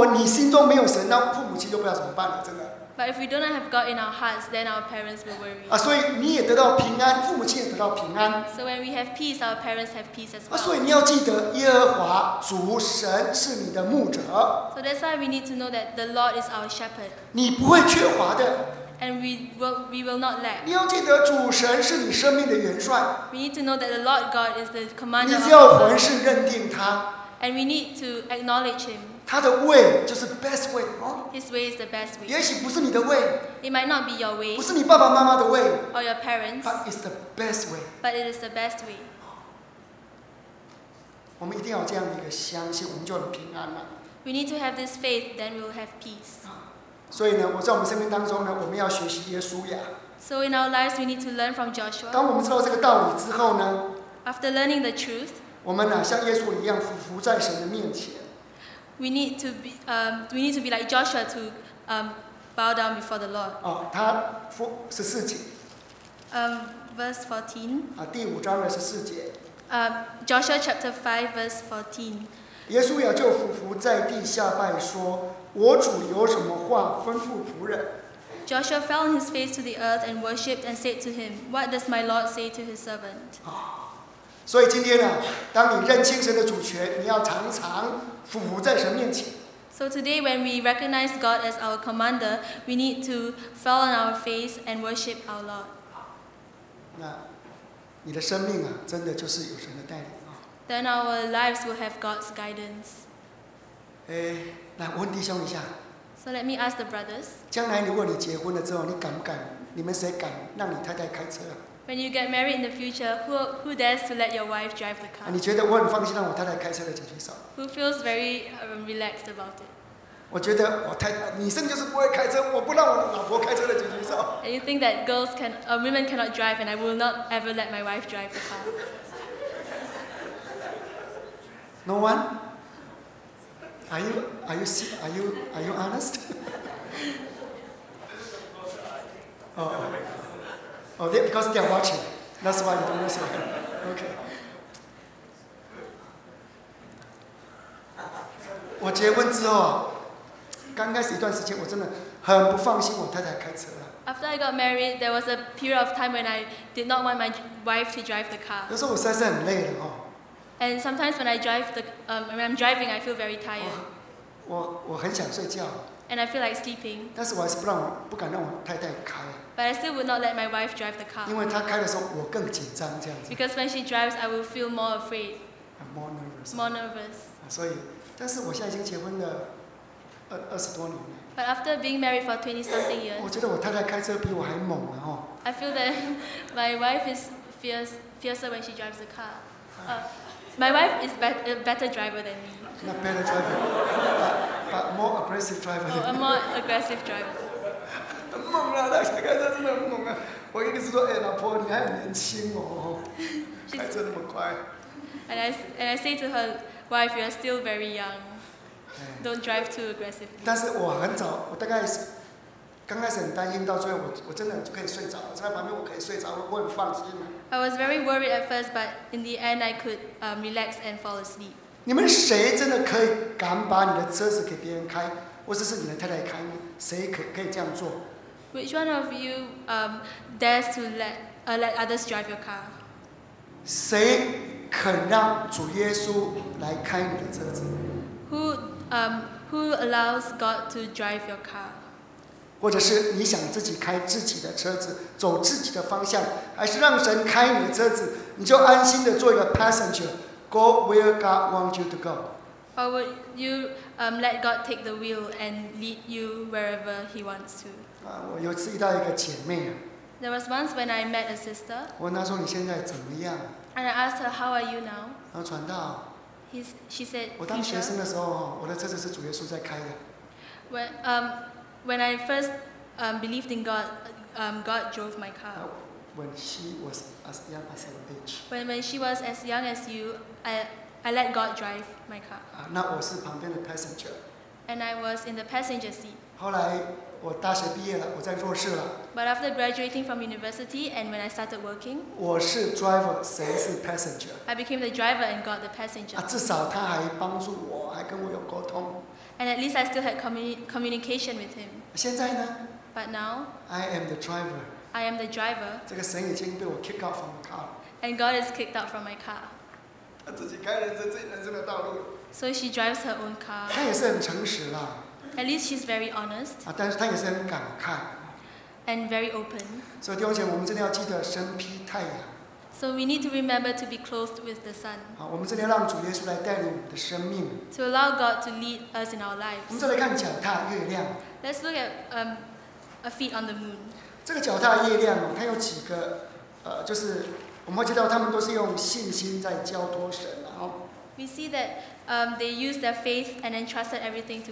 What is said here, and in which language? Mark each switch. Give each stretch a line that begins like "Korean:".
Chinese: 但是如果你心中没有神，那父母亲就不知道怎么办了，真的。
English: But if we do not have God in our hearts, then our parents will worry.
Chinese: 所以你也得到平安，父母亲也得到平安。
English: So when we have peace, our parents have peace as well.
Chinese: 所以你要记得，耶和华主神是你的牧者。
English: So that's why we need to know that the Lord is our shepherd.
Chinese: 你不会缺乏的。
English: And we will not lack.
Chinese: 你要记得，主神是你生命的元帅。
English: We need to know that the Lord God is the commander.
Chinese: 你只要凡事认定他。
English: And we need to acknowledge him.
Chinese: 他的way就是
English: best way. His way is the best way.
Chinese: 也许不是你的way.
English: It might not be your way.
Chinese: 不是你爸爸妈妈的way.
English: Or your parents. But it's the best way. But it is the best way.
Chinese: 我们一定要这样的一个相信，我们就很平安了。
English: We need to have this faith, then we'll have peace.
Chinese: 所以呢，我在我们生命当中呢，我们要学习耶稣呀。
English: So in our lives, we need to learn from Joshua.
Chinese: 当我们知道这个道理之后呢，
English: After learning the truth.
Chinese: 我们像耶稣一样俯伏在神的面前。
English: We need to be, we need to be like Joshua to, bow down before the Lord.
Chinese: 他14节。
English: Verse 14.
Chinese: 第5章的14节。
English: Joshua chapter 5 verse 14.
Chinese: 耶稣就俯伏在地下拜说：“我主有什么话吩咐仆人？”
English: Joshua fell on his face to the earth and worshipped and said to him, "What does my Lord say to his servant?"
Chinese: 所以今天呢，当你认清神的主权，你要常常俯伏在神面前。
English: So today, when we recognize God as our commander, we need to fall on our face and worship our Lord.
Chinese: 那你的生命啊，真的就是有神的带领啊。
English: Then our lives will have God's guidance.
Chinese: 哎，来，我问弟兄一下。
English: So let me ask the brothers.
Chinese: 将来如果你结婚了之后，你敢不敢？你们谁敢让你太太开车啊？
English: When you get married in the future, who dares to let your wife drive the car?
Chinese: 你觉得我很放心让我太太开车的，请举手。
English: Who feels very relaxed about it?
Chinese: 我觉得我太女生就是不会开车，我不让我老婆开车的，请举手。
English: And you think that girls can, women cannot drive, and I will not ever let my wife drive the car? No one? Are you honest? Oh. Oh, they, because they are watching. That's why you don't listen. Okay.
Chinese: 我结婚之后，刚开始一段时间，我真的很不放心我太太开车。
English: After I got married, there was a period of time when I did not want my wife to drive the car.
Chinese: 有时候我实在是很累了哦。
English: And sometimes when I drive the, when I'm driving, I feel very tired.
Chinese: 我很想睡觉。
English: And I feel like sleeping.
Chinese: 但是我还是不敢让我太太开。
English: But I still would not let my wife drive the car.
Chinese: 因为她开的时候，我更紧张这样子。
English: Because when she drives, I will feel more afraid. I'm more nervous. More nervous.
Chinese: 所以，但是我现在已经结婚了20多年了。
English: But after being married for 20-something years,
Chinese: 我觉得我太太开车比我还猛呢，哦。
English: I feel that my wife is fiercer when she drives the car. My wife is a better driver than me. Not better driver, but more aggressive driver. Oh, a more aggressive driver.
Chinese: 很猛啊！他开车真的很猛啊！我一直说，哎，老婆，你还很年轻哦，开车那么快。
English: And I say to her, wife, you are still very young. Don't drive too aggressively.
Chinese: 但是我很早，我大概是刚开始很担心，到最后我真的就可以睡着，在旁边我可以睡着，我很放心。
English: I was very worried at first, but in the end, I could relax and fall asleep.
Chinese: 你们谁真的可以敢把你的车子给别人开，或者是你的太太开呢？谁可以这样做
English: ？Which one of you dares to let others drive your car?
Chinese: 谁肯让主耶稣来开你的车子
English: ？Who allows God to drive your car?
Chinese: 或者是你想自己开自己的车子，走自己的方向，还是让神开你的车子，你就安心的做一个
English: passenger, go where God wants you to go. Or would you let God take the wheel and lead you wherever He wants to?
Chinese: 我有次遇到一个姐妹。
English: There was once when I met a sister.
Chinese: 我问她说你现在怎么样
English: ？And I asked her how are you now?
Chinese: 她传道。
English: She said.
Chinese: 我当学生的时候，我的车子是主耶稣在开的。
English: When I first believed in God, God drove my car. When she was as young as her age. When she was as young as you, I let God drive my car.
Chinese: 那我是旁边的 passenger.
English: And I was in the passenger seat.
Chinese: 后来我大学毕业了，我在做事了。
English: But after graduating from university and when I started working,
Chinese: 我是 driver, 谁是 passenger?
English: I became the driver and God the passenger.
Chinese: 至少他还帮助我，还跟我有沟通。
English: And at least I still had communication with him.
Chinese: 现在呢
English: ？But now. I am the driver. I am the driver.
Chinese: 这个神已经被我
English: kicked out from my car. And God is kicked out from my car.
Chinese: 他自己开了自己人生的道路。
English: So she drives her own car.
Chinese: 他也是很诚实啦。
English: At least she's very honest.
Chinese: 但是他也是很敢看。
English: And very open.
Chinese: 所以弟兄姐妹，我们真的要记得身披太阳。
English: So we need to remember to be clothed with the sun.
Chinese: 好，我们这里让主耶稣来带领我们的生命。
English: To allow God to lead us in our lives.
Chinese: 我们再来看脚踏月亮。
English: Let's look at a feet on the moon.
Chinese: 这个脚踏月亮，它有几个，就是我们会知道，他们都是用信心在交托神，然后。
English: We see that they used their faith and entrusted everything to.